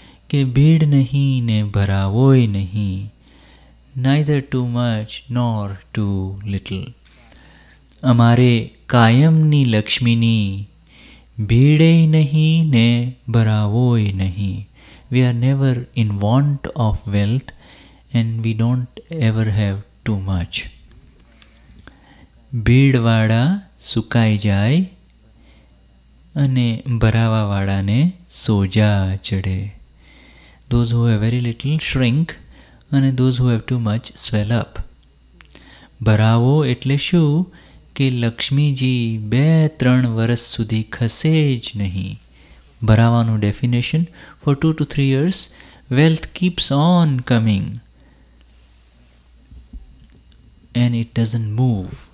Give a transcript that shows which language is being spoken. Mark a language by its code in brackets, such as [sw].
[gu] કે ભીડ નહીં ને ભરાવો એ નહીં, [en] Neither too much nor too little. [gu] અમારે કાયમની લક્ષ્મીની ભીડે નહીં ને ભરાવો એ નહીં. [en] We are never in want of wealth and we don't ever have too much. [gu] ભીડ વાળા સુકાઈ જાય અને ભરાવા વાળાને સોજા ચડે. [en] Those who have very little shrink અને those who have too much swell up. [gu] ભરાવો એટલે શું? કે લક્ષ્મીજી બે ત્રણ વર્ષ સુધી ખસે જ નહીં. [en] ભરાવાનું definition, for two to three years wealth keeps on coming and it doesn't move.